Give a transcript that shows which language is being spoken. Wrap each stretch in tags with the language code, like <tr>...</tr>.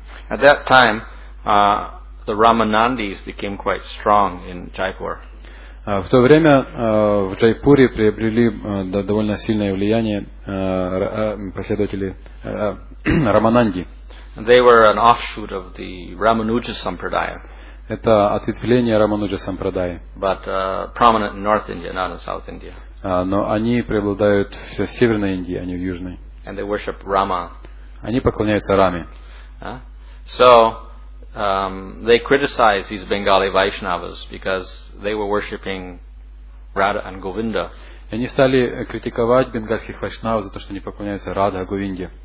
<en>At that time, the Ramanandis became quite strong in Jaipur.</en> <ru>В то время в Джайпуре приобрели довольно сильное влияние последователи Раманандхи.</ru> <en>They were an offshoot of the Ramanuja Sampradaya.</en> <ru>Это ответвление Рамануджа Сампрадаи.</ru> <en>But prominent in North India, not in South India.</en> <ru>Но они преобладают в Северной Индии, а не в Южной.</ru> <en>And they worship Rama.</en> <ru>Они поклоняются Раме.</ru> <en>So they criticized these Bengali Vaishnavas because they were worshipping Radha and Govinda.</en> <ru>Они стали критиковать бенгальских вайшнав за то, что они поклоняются Радхе и Говинде.</ru>